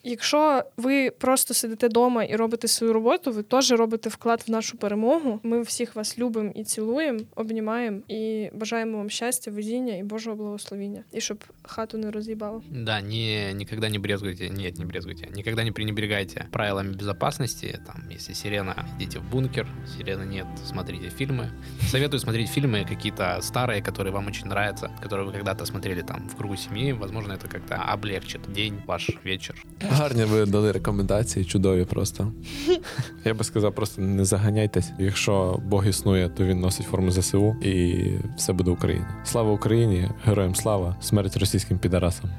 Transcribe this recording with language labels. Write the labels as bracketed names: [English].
[Ukrainian] Якщо ви просто сидите дома і робите свою роботу, ви теж робите вклад в нашу перемогу. Ми всіх вас любимо і цілуємо, обнімаємо і бажаємо вам щастя, везіння і Божого благословення. І щоб хату не роз'їбало. Да, ніколи не брезгуйте, ні, не брезгуйте, ніколи не [Russian] пренебрегайте правилами безопасности. Там, если сирена, идите в бункер. Сирены нет, смотрите фильмы. Советую смотреть фильмы какие-то старые, которые вам очень нравятся, которые вы когда-то смотрели там в кругу семьи. Возможно, это как-то облегчит день, ваш вечер. [Ukrainian] Гарні ви дали рекомендації, чудові просто. Я би сказав, просто не заганяйтесь. Якщо Бог існує, то він носить форму ЗСУ і все буде Україна. Слава Україні, героям слава, смерть російським підарасам.